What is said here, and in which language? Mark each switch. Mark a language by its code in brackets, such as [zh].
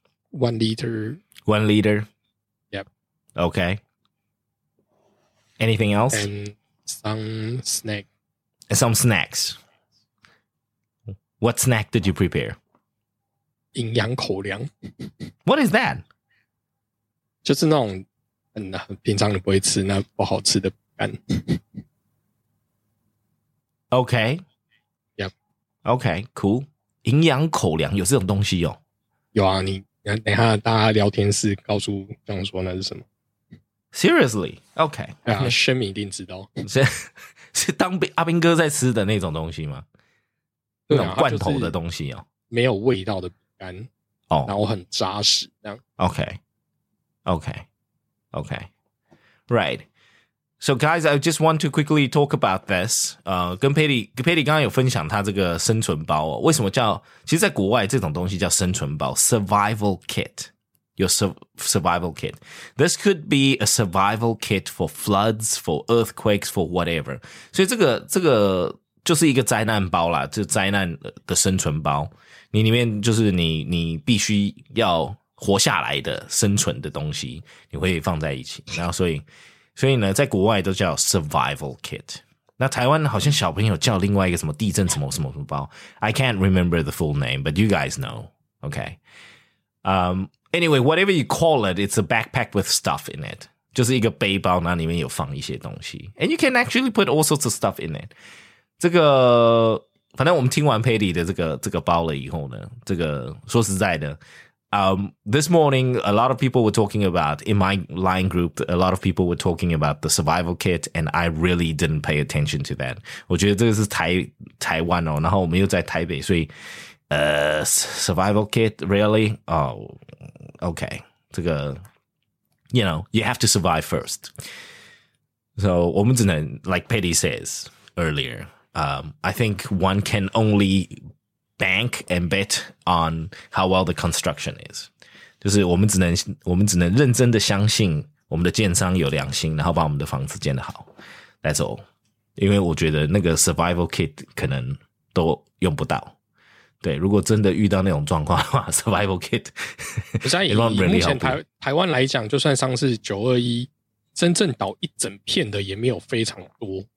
[en] 1 liter. 1 liter? Yep. Okay. Anything else? And some snack. And some snacks. What snack did you prepare? [zh] 营养口粮。 [en] What is that? [zh] 就是那种平常你不会吃那不好吃的干。 [en] Okay. Yep. Okay, cool. [zh] 营养口粮有这种东西哦？有啊，你等一下大家聊天室告诉这样说那是什么。 [en] Seriously? Okay. [zh] 对啊，轩明一定知道。是当兵阿兵哥在吃的那种东西吗？对啊，那种罐头的东西哦，没有味道的饼干哦，然后很扎实这样。 [en] Okay. Right. So guys, I just want to quickly talk about this. [zh] 跟 Patty 刚刚有分享他这个生存包哦，为什么叫？其实在国外这种东西叫生存包 ，survival kit。 [en] Your survival kit. This could be a survival kit for floods, for earthquakes, for whatever. [zh] 所以这个就是一个灾难包啦，就灾难的生存包。你里面就是你必须要活下来的生存的东西，你会放在一起。然后所以呢，在国外都叫 survival kit。那台湾好像小朋友叫另外一个什么地震什么什么什么包。 [en] I can't remember the full name, but you guys know. Okay. Anyway, whatever you call it, it's a backpack with stuff in it. [zh] 就是一个背包，那里面有放一些东西。 [en] And you can actually put all sorts of stuff in it. [zh] 这个，反正我们听完 Patty 的这个包了以后呢，这个说实在的 [en] this morning, a lot of people were talking about, in my line group, a lot of people were talking about the survival kit, and I really didn't pay attention to that. [zh] 我觉得这个是台湾哦，然后我们又在台北，所以survival kit, really? [en] Oh, okay. 这个 you know, you have to survive first. So, [zh] 我们只能 [en] like Patty says earlier, I think one can only bank and bet on how well the construction is. [zh] 就是我们只能认真的相信我们的建商有良心，然后把我们的房子建得好。 [en] That's all. [zh] 因为我觉得那个 survival kit 可能都用不到。对，如果真的遇到那种状况的话 ，survival kit，不是以目前台湾来讲，就算上次921真正倒一整片的也没有非常多，